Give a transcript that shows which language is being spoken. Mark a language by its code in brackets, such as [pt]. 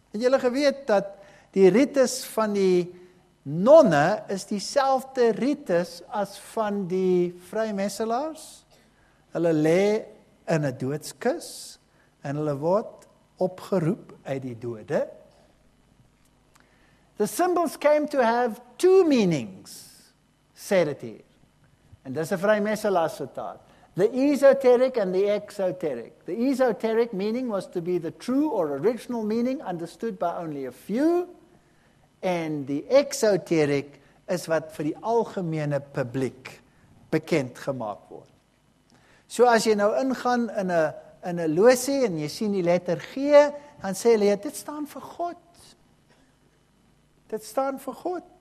[af] Het julle geweet dat die rites van die nonne is dieselfde rites as van die vrymesselaars? Hulle lê in 'n doodskus en hulle word opgeroep uit die dode. [en] The symbols came to have two meanings, said it here. [af] And dis 'n vrymesselaar sitaat. [en] The esoteric and the exoteric. The esoteric meaning was to be the true or original meaning understood by only a few. [af] And the exoteric is wat vir die algemene publiek bekend gemaak word. So as jy nou ingaan in 'n in 'n losie en jy sien die letter G, dan sê hulle, dit staan vir God. Dit staan vir God.